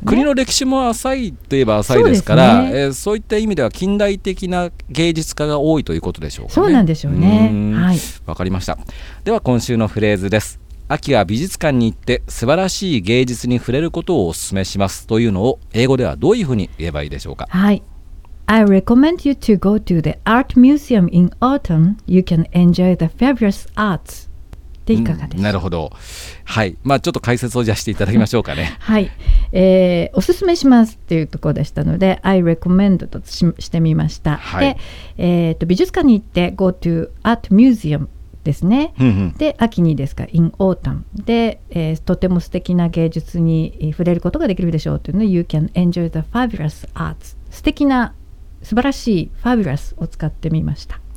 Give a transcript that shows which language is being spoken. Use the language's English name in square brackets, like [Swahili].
[Japanese] まあ、国の歴史も浅いといえば浅いですから、そ う、 す、ね、そういった意味では近代的な芸術家が多いということでしょうかね。そうなんでしょうね。わ、はい、かりました。では今週のフレーズです。秋は美術館に行って素晴らしい芸術に触れることをお勧めしますというのを英語ではどういうふうに言えばいいでしょうか。 [English] はい、 I recommend you to go to the art museum in autumn. You can enjoy the fabulous arts. [Japanese] でいかがですか。なるほど、はい、まあ、ちょっと解説をじゃしていただきましょうかね。はい、おすすめしますっていうところでしたので [English] I recommend [Japanese] と してみました、はい、で、美術館に行って [English] go to art museum [Japanese] ですね、うんうん、で秋にですか [English] in autumn [Japanese] で、とても素敵な芸術に触れることができるでしょうというのを [English] You can enjoy the fabulous arts、 [Japanese] 素敵な素晴らしい fabulous を使ってみました。